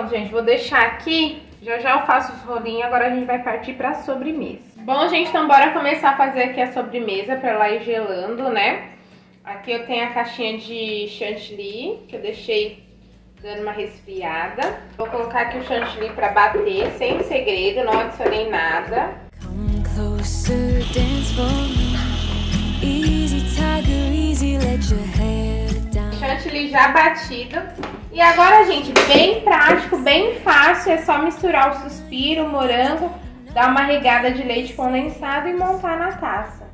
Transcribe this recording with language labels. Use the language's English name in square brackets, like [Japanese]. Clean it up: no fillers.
[Portuguese] vou deixar aqui. Já já eu faço os rolinhos, agora a gente vai partir pra sobremesa. Bom, gente, então bora começar a fazer aqui a sobremesa pra ela ir gelando, né? Aqui eu tenho a caixinha de chantilly, que eu deixei dando uma resfriada. Vou colocar aqui o chantilly pra bater, sem segredo, não adicionei nada. [English] Come closer, dance for me. Easy tiger, easy, let your hair down. [Portuguese] Chantilly já batido. E agora, gente, bem prático, bem fácil, é só misturar o suspiro, o morango, dar uma regada de leite condensado e montar na taça.